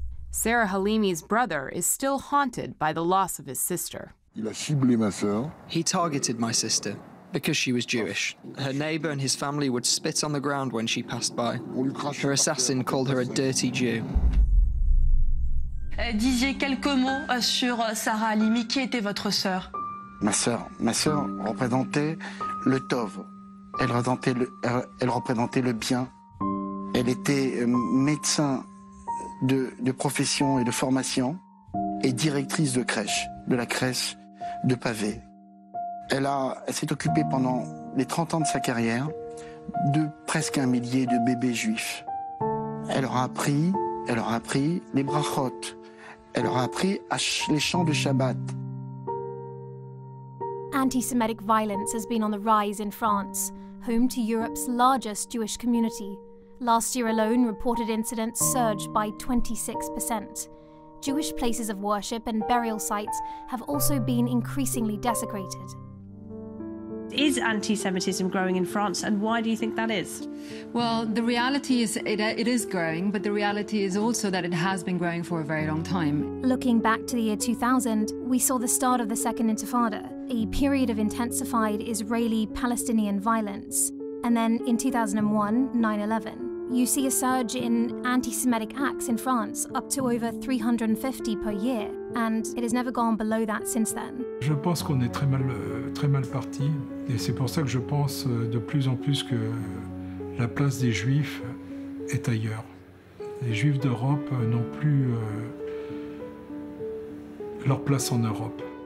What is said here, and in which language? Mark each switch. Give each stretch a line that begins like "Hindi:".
English: Sarah Halimi's brother is still haunted by the loss of his sister. He targeted my sister because she was Jewish. Her neighbor and his family would spit on the ground when she passed by. Her assassin called her a dirty Jew.
French: Disiez quelques mots sur Sarah Halimi, qui était votre sœur. Ma sœur représentait le tov. Elle représentait le bien. Elle était médecin de profession et de formation et directrice de crèche, de la crèche de Pavé. Elle s'est occupée pendant les 30 ans de sa carrière de presque un millier de bébés juifs. Elle leur a appris les brachot. Elle leur a appris les chants de Shabbat.
English: Anti-Semitic violence has been on the rise in France, home to Europe's largest Jewish community. Last year alone, reported incidents surged by 26%. Jewish places of worship and burial sites have also been increasingly desecrated. Is anti-Semitism growing in France, and why do you think that is? Well, the reality is it is growing, but the reality is also that it has been growing for a very long time. Looking back to the year 2000, we saw the start of the Second Intifada, a period of intensified Israeli-Palestinian violence. And then in 2001, 9/11, you see a surge in anti-Semitic acts in France, up to over 350 per year, and it has never gone below that since then.
French: Je pense qu'on est très mal parti, et c'est pour ça que je pense de plus en plus que la place des Juifs est ailleurs. Les Juifs d'Europe n'ont plus leur place en Europe.